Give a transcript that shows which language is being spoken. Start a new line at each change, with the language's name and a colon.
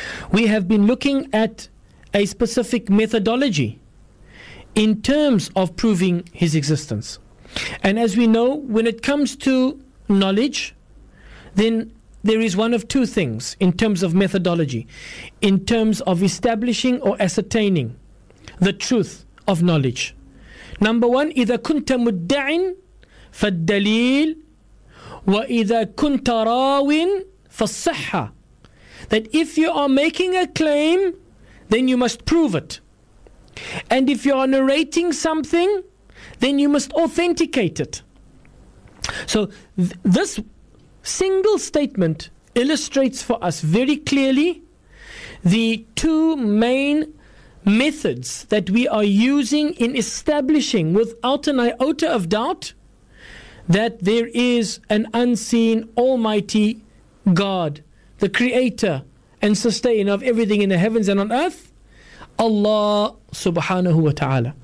English: We have been looking at a specific methodology in terms of proving His existence. And as we know, when it comes to knowledge, then there is one of two things in terms of methodology, in terms of establishing or ascertaining the truth of knowledge. Number one,
Arabic: إِذَا كُنْتَ مُدَّعٍ فَالدَّلِيلِ وَإِذَا كُنْتَ رَاوٍ فَالصَّحَّةِ.
English: That if you are making a claim, then you must prove it. And if you are narrating something, then you must authenticate it. So this single statement illustrates for us very clearly the two main methods that we are using in establishing without an iota of doubt that there is an unseen almighty God, the creator and sustainer of everything in the heavens and on earth, Allah subhanahu wa ta'ala.